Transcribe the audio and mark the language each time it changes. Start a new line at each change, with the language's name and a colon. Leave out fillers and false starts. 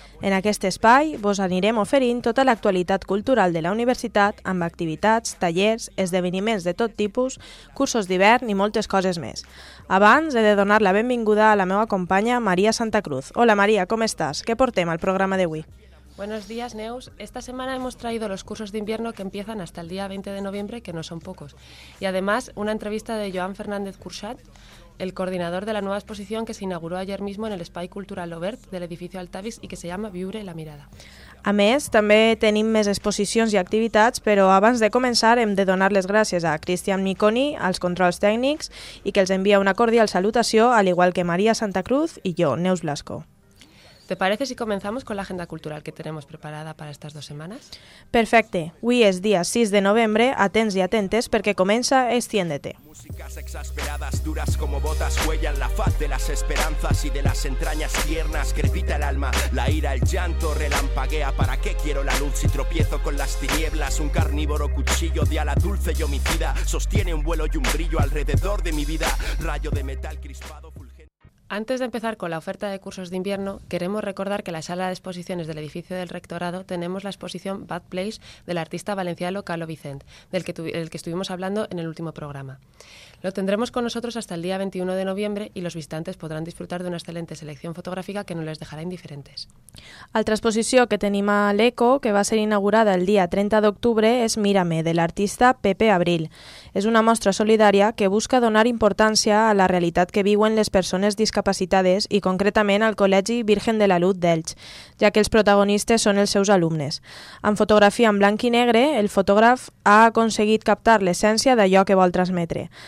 Catalan: En aquest espai vos anirem oferint tota l'actualitat cultural de la universitat amb activitats, tallers, esdeveniments de tot tipus, cursos d'hivern i moltes coses més. Abans he de donar la benvinguda a la meva companya Maria Santa Cruz. Hola Maria, com estàs? Què portem al programa d'avui?
Spanish: Buenos días, Neus. Esta semana hemos traído los cursos de invierno que empiezan hasta el día 20 de noviembre, que no son pocos. Y además, una entrevista de Joan Fernández Curxat, el coordinador de la nueva exposición que se inauguró ayer mismo en el Espai Cultural Obert de l'edificio Altavis y que se llama Viure la mirada.
Catalan: A més, també tenim més exposicions i activitats, però abans de començar hem de donar les gràcies a Cristian Miconi, als controls tècnics, i que els envia una cordial salutació,
Spanish: al igual que
Catalan: Maria Santa Cruz i jo, Neus Blasco.
Spanish: ¿Te parece si comenzamos con la agenda cultural que tenemos preparada para estas dos semanas? Perfecte. Hoy es día 6 de noviembre. Atents y atentes porque comienza Extiéndete. Músicas exasperadas, duras como botas, huellan la faz de las esperanzas y de las entrañas tiernas. Crepita el alma, la ira, el llanto relampaguea. ¿Para qué quiero la luz si tropiezo con las tinieblas? Un carnívoro cuchillo de ala dulce y homicida sostiene un vuelo y un brillo alrededor de mi vida. Rayo de metal crispado. Antes de empezar con la oferta de cursos de invierno, queremos recordar que en la sala de exposiciones del edificio del rectorado tenemos la exposición Bad Place del artista valenciano Calo Vicent, del que estuvimos hablando en el último programa. Lo tendremos con nosotros hasta el día 21 de noviembre y los visitantes podrán disfrutar de una excelente selección fotográfica que no les dejará indiferentes. Otra exposición que
Catalan: tenim a l'ECO,
Spanish: que va a ser inaugurada el día 30 de octubre, es Mírame, del artista Pepe Abril.
Catalan: Es una mostra solidaria que busca donar importancia a la realitat que viuen les persones discapacitades i concretament al Col·legi Virgen de la Luz d'Elx, ja que els protagonistes són els seus alumnes. Amb fotografia en blanc i negre, el fotògraf ha aconseguit captar l'essència d'allò que vol transmetre.